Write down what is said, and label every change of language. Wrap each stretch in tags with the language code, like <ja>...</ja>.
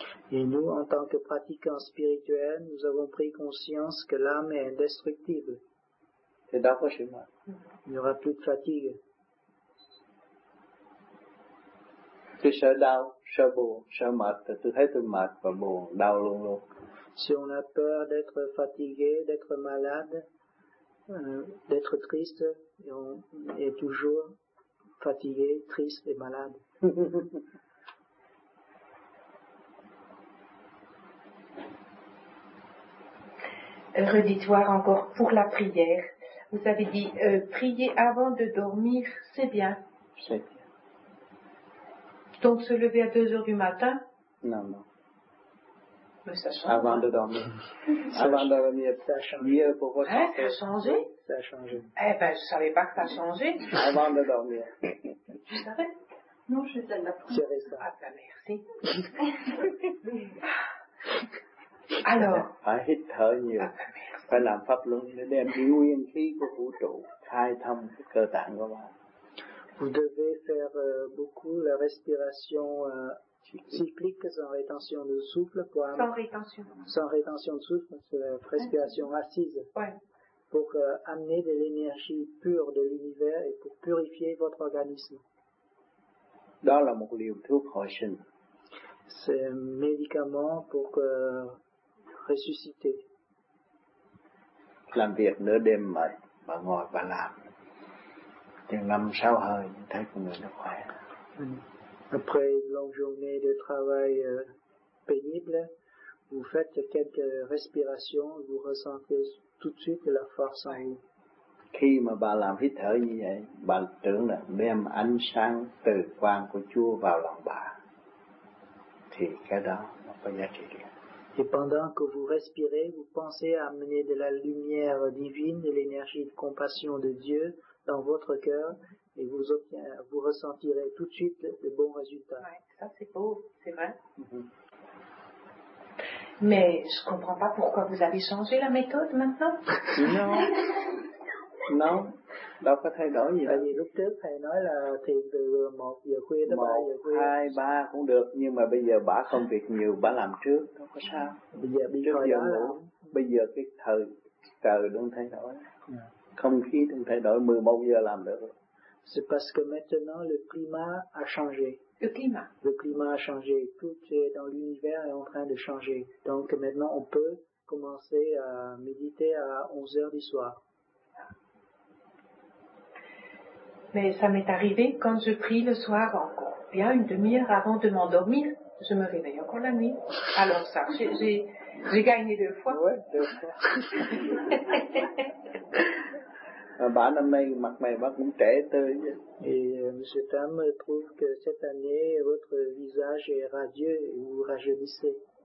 <fr>Et nous, en tant que pratiquants spirituels, nous avons pris conscience que l'âme est indestructible.</fr> <vi>Thì đâu có sự mệt.</vi> <fr>Il n'y aura plus de fatigue.</fr> <vi>Tôi sợ đau, sợ buồn, sợ mệt, tôi thấy tôi mệt và buồn, đau luôn luôn.</vi> <fr>Si on a peur d'être fatigué, d'être malade, d'être triste, et on est toujours fatigué, triste et malade. Réditoire encore pour la prière. Vous avez dit prier avant de dormir, c'est bien. C'est bien. Donc se lever à 2 heures du matin? Non, non. Mais ça change. Avant de dormir. Avant de dormir, ça change. Mieux pour votre santé. Ça a changé? Ça a changé. Eh ben, je savais pas que ça a changé. Avant de dormir. Je savais. Non, je vais la prendre. Je vais ça. Ah ben, merci. Alors.</fr> <vi>Phải hít thở nhiều. Phải làm pháp luân để đem nguyên khí của vũ trụ khai thông cái cơ tạng của bạn.</vi> <fr>Vous devez faire beaucoup la respiration cyclique sans rétention de souffle pour sans rétention de souffle, c'est la respiration assise. Ouais. Pour amener de l'énergie pure de l'univers et pour purifier votre organisme.</fr> <vi>Đó là một liều thuốc hồi sinh.</vi> <fr>C'est un médicament pour ressusciter.</fr> <vi>Làm việc nửa đêm mệt, bà ngồi bà làm. Chừng 5-6 hơi, thấy con người nó khỏe.</vi> <fr>Après une longue journée de travail pénible, vous faites quelques respirations, vous ressentez tout de suite la force en vous.</fr> <vi>Khi mà bà làm hít thở như vậy, bà tưởng là đem ánh sáng từ quang của Chúa vào lòng bà. Thì cái đó nó có giá trị điện.</vi> <fr>Et pendant que vous respirez, vous pensez à amener de la lumière divine, de l'énergie de compassion de Dieu dans votre cœur, et vous ressentirez tout de suite de bons résultats. Ouais, ça c'est beau, c'est vrai. Mm-hmm. Mais je ne comprends pas pourquoi vous avez changé la méthode maintenant.</fr> <vi>Non. Non, đâu có thay đổi gì. Tại vì lúc trước thầy nói là thiền từ 1 giờ khuya tới 1, 3 giờ khuya. 2, 3 cũng được, nhưng mà bây giờ bả không việc nhiều, bả làm trước, đâu có sao. Bây giờ bị khỏi đó là... Bây giờ cái thời trời đang thay đổi. Yeah. Không khí đang thay đổi, 11 giờ làm được.</vi> <fr>C'est parce que maintenant le climat a changé. Le climat. Le climat a changé. Tout est dans l'univers est en train de changer. Donc maintenant on peut commencer à méditer à 11 heures du soir. Mais ça m'est arrivé quand je prie le soir encore bien une demi-heure avant de m'endormir. je me réveille encore la nuit. Alors ça, j'ai gagné deux fois. Oui, deux fois.</fr> <vi>Bản năm nay mặt mày bác cũng trẻ tươi.</vi> <fr>Et Monsieur Tam trouve que cette année votre visage est radieux et vous rajeunissez.</fr>